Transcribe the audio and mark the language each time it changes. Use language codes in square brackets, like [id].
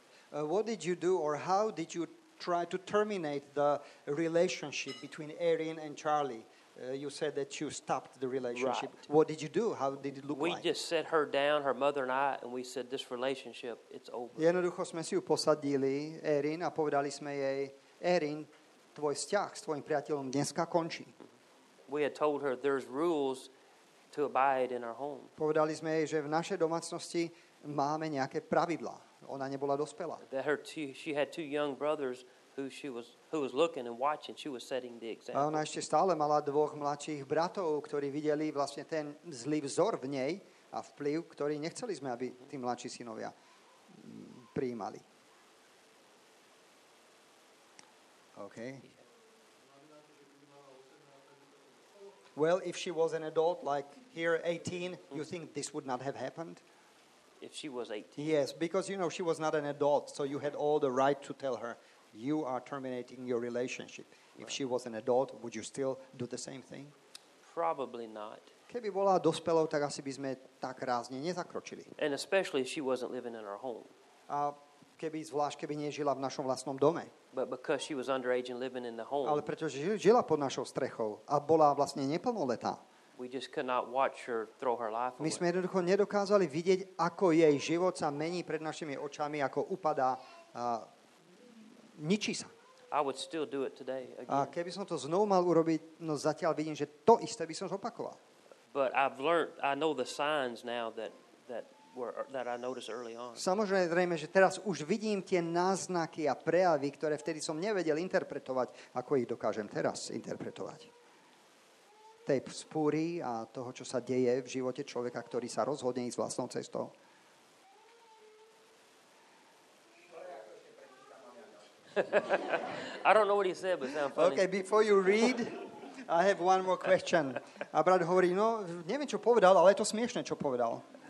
[en] What did you do or how did you try to terminate the relationship between Erin and Charlie? You said that you stopped the relationship. Right. What did you do? How did it look we like? We just set her down, her mother and I, and we said, this relationship, it's over. [sk] Jednoducho sme si ju posadili, Erin, a povedali sme jej, Erin, tvoj vzťah s tvojim priateľom dneska končí. [en] We had told her there's rules to abide in our home. [sk] Povedali sme jej, že v našej domácnosti máme nejaké pravidlá. Ona nebola dospelá. [en] She had two young brothers who was looking and watching. She was setting the example. [sk] A ona ešte stále mala dvoch mladších bratov, ktorí videli vlastne ten zlý vzor v nej a vplyv, ktorý nechceli sme, aby tí mladší synovia prijímali. [en] OK. Well, if she was an adult, like here 18, you think this would not have happened? If she was 18. Yes, because, you know, she was not an adult, so you had all the right to tell her, you are terminating your relationship. Right. If she was an adult, would you still do the same thing? Probably not. [sk] Keby bola dospelou, tak asi by sme tak rázne nezakročili. [en] And especially if she wasn't living in our home. [sk] A keby zvlášť, keby nežila v našom vlastnom dome. [en] But because she was underage and living in the home. [sk] Ale pretože žila pod našou strechou a bola vlastne neplnoletá. [en] We just could not watch her throw her life away. [sk] My sme jednoducho nedokázali vidieť, ako jej život sa mení pred našimi očami, ako upadá, ničí sa. [en] I would still do it today again. [sk] A keby som to znovu mal urobiť, no zatiaľ vidím, že to isté by som zopakoval. [en] But I've learned, I know the signs now that I noticed early on. [sk] Samozrejme, že teraz už vidím tie náznaky a prejavy, ktoré vtedy som nevedel interpretovať, ako ich dokážem teraz interpretovať. Tej spúry a toho, čo sa deje v živote človeka, ktorý sa rozhodne ísť vlastnou cestou. [en] I don't know what he said, but sound funny. Okay, before you read, I have one more question. [sk] A brat hovorí, no, neviem, čo povedal, ale je to smiešne, čo povedal.